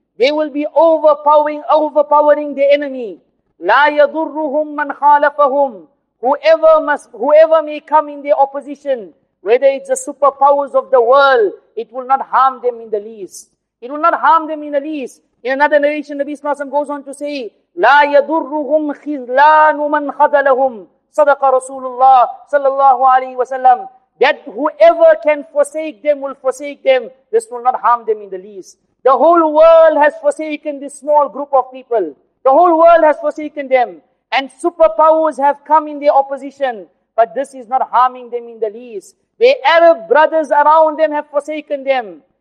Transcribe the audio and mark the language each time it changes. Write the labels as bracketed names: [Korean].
[English] They will be overpowering the enemy. [Arabic] لَا يَضُرُّهُمْ مَنْ خَالَفَهُمْ. [English] Whoever may come in their opposition, whether it's the superpowers of the world, it will not harm them in the least. It will not harm them in the least. In another narration, Nabi Sallallahu Alaihi Wasallam goes on to say, [Arabic] لا يضرهم خذلان من خذلهم صدق رسول الله صلى الله عليه وسلم. [English] That whoever can forsake them will forsake them. This will not harm them in the least. The whole world has forsaken this small group of people. The whole world has forsaken them. And superpowers have come in their opposition. But this is not harming them in the least. Their Arab brothers around them have forsaken them.